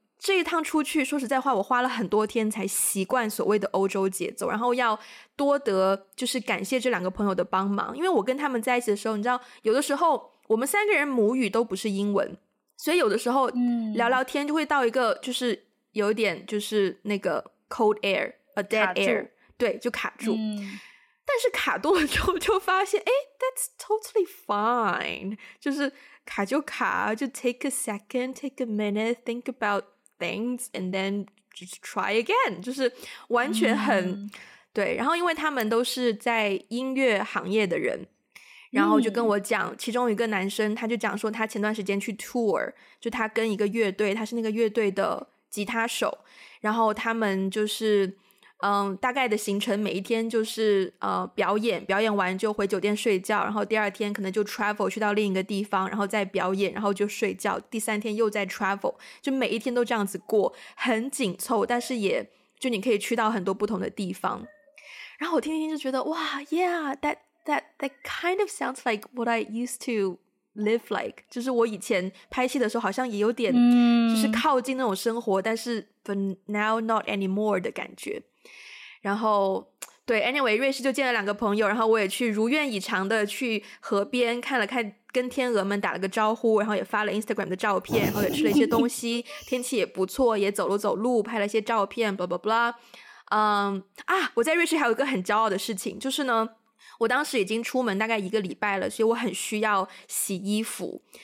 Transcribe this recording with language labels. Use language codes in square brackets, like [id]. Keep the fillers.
[zh] 这一趟出去，说实在话，我花了很多天才习惯所谓的欧洲节奏，然后要多得就是感谢这两个朋友的帮忙，因为我跟他们在一起的时候，你知道，有的时候我们三个人母语都不是英文，所以有的时候、嗯、聊聊天就会到一个就是有一点就是那个 [en] cold air a dead air， [zh] 对，就卡住。嗯、但是卡多了之后，就发现哎， [en] that's totally fine， [zh] 就是卡就卡，就 [en] take a second，take a minute，think about。 Things and then just try again， [zh] 就是完全很、 [en] mm hmm. [zh] 对。然后因为他们都是在音乐行业的人，然后就跟我讲，其中一个男生他就讲说，他前段时间去 tour，就他跟一个乐队，他是那个乐队的吉他手，然后他们就是。嗯，um, 大概的行程每一天就是呃、uh, 表演，表演完就回酒店睡觉，然后第二天可能就 travel 去到另一个地方，然后再表演，然后就睡觉。第三天又在 travel，就每一天都这样子过，很紧凑，但是也就你可以去到很多不同的地方。然后我听一听就觉得，哇， [en] yeah，that that that kind of sounds like what I used to live like， [zh] 就是我以前拍戏的时候好像也有点就是靠近那种生活，mm. 但是 [en] but now not anymore [zh] 的感觉。然后，对，anyway，瑞士就见了两个朋友，然后我也去如愿以偿的去河边看了看，跟天鹅们打了个招呼，然后也发了 Instagram 的照片，然后也吃了一些东西， 天气也不错，也走了走路，拍了一些照片， [en] blah blah blah。 [zh] 嗯、um,，啊，我在瑞士还有一个很骄傲的事情，就是呢，我当时已经出门大概一个礼拜了，所以我很需要洗衣服。